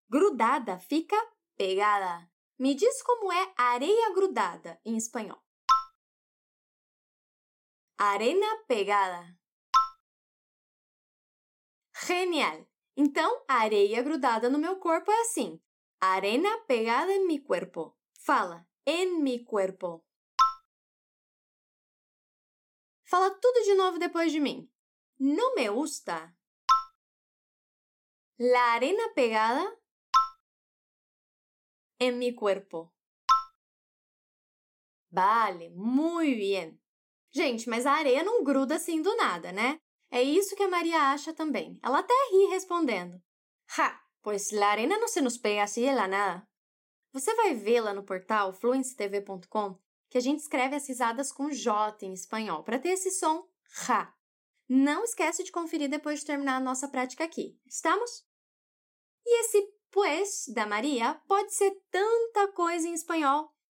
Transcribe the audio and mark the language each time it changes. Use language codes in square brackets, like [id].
[pt] Grudada fica pegada. Me diz como é areia grudada em espanhol. [es] Arena pegada. [pt] Genial! Então, areia grudada no meu corpo é assim. [es] Arena pegada en mi cuerpo. [pt] Fala, [es] en mi cuerpo. [pt] Fala tudo de novo depois de mim. [es] No me gusta. La arena pegada en mi cuerpo. Vale, muy bien. [pt] Gente, mas a areia não gruda assim do nada, né? É isso que a Maria acha também. Ela até ri respondendo. [es] Ha, pues la arena no se nos pega así de la nada. [pt] Você vai ver lá no portal fluencytv.com que a gente escreve as risadas com J em espanhol, para ter esse som ra. Não esquece de conferir depois de terminar a nossa prática aqui. Estamos? E esse pues da Maria pode ser tanta coisa em espanhol.